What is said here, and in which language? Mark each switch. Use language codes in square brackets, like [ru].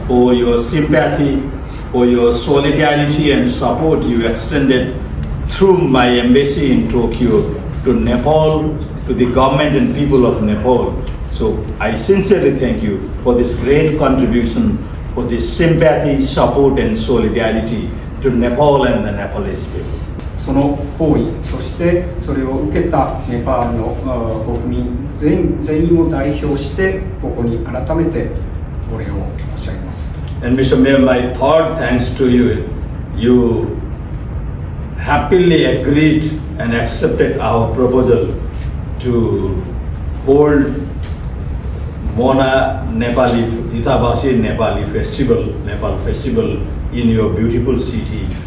[en] For your sympathy, for your solidarity and support you extended through my embassy in Tokyo to Nepal,to the government and people of Nepal. So I sincerely thank you for this great contribution, for this sympathy, support and solidarity to Nepal and the Nepalese people. [ja] その行為、そしてそれを受けたネパールの国民全員を代表してここに改めてお礼を申し上げます。 [en] And Mr. Mayor, my third thanks to you. You happily agreed and accepted our proposalTo hold Mona Nepali, Itabashi Nepali Festival, Nepal Festival in your beautiful city.